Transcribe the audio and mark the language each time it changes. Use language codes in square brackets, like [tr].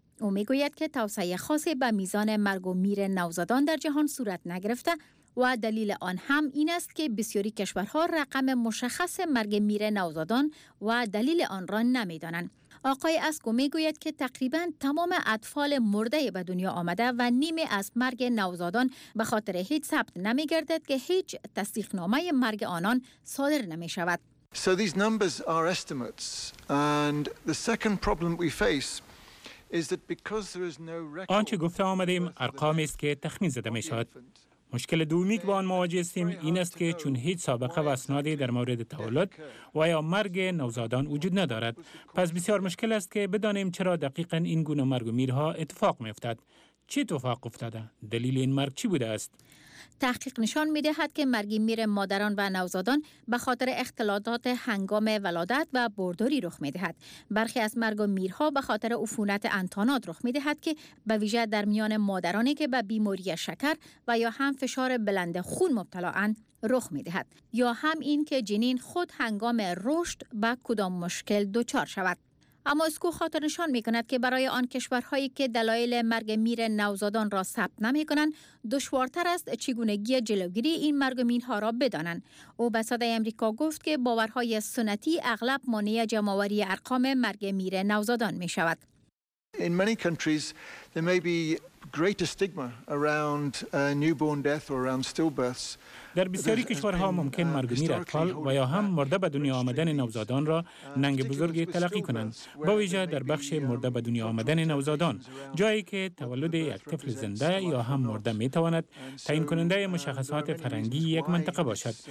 [fa] او میگوید که توسعه خاصی به میزان مرگ و میر نوزادان در جهان صورت نگرفته و دلیل آن هم این است که بسیاری کشورها رقم مشخص مرگ میر نوزادان و دلیل آن را نمیدانند. آقای اسکو میگوید که تقریبا تمام اطفال مرده به دنیا آمده و نیمه از مرگ نوزادان به خاطر هیچ ثبت نمیگردد که هیچ تصدیق نامه مرگ آنان صادر نمی شود. [en] So these numbers are estimates and the second problem we face is that because there is no record. [fa] آنچه گفته آمدیم ارقامی است که تخمین زده می شود. مشکل دومی که با آن مواجه هستیم این است که چون هیچ سابقه و اسنادی در مورد تولد و یا مرگ نوزادان وجود ندارد، پس بسیار مشکل است که بدانیم چرا دقیقاً این گونه مرگ و میرها اتفاق می‌افتد. چه اتفاق افتاده؟ دلیل این مرگ چی بوده است؟ تحقیق نشان می‌دهد که مرگ میر مادران و نوزادان به خاطر اختلالات هنگام ولادت و بارداری رخ می‌دهد. برخی از مرگ و میرها به خاطر عفونت انتانات رخ می‌دهد که به ویژه در میان مادرانی که به بیماری شکر و یا هم فشار بلند خون مبتلا‌اند رخ می‌دهد، یا هم این که جنین خود هنگام رشد به کدام مشکل دچار شود. اما اسکو خاطر نشان می کند که برای آن کشورهایی که دلایل مرگ میر نوزادان را ثبت نمی کنند، دشوارتر است چگونگی جلوگیری این مرگ میرها را بدانند. او به صدای امریکا گفت که باورهای سنتی اغلب مانع جمع‌آوری ارقام مرگ میر نوزادان می شود. [en] In many countries, there may be greater stigma around newborn death or around stillbirths. [fa] در بسیاری کشورها ممکن مرگ میر اطفال و یا هم مرده به دنیا آمدن نوزادان را ننگ بزرگی تلقی کنند، با ویژه در بخش مرده به دنیا آمدن نوزادان، جایی که تولد یک طفل زنده یا هم مرده می تواند تعیین کننده مشخصات فرهنگی یک منطقه باشد.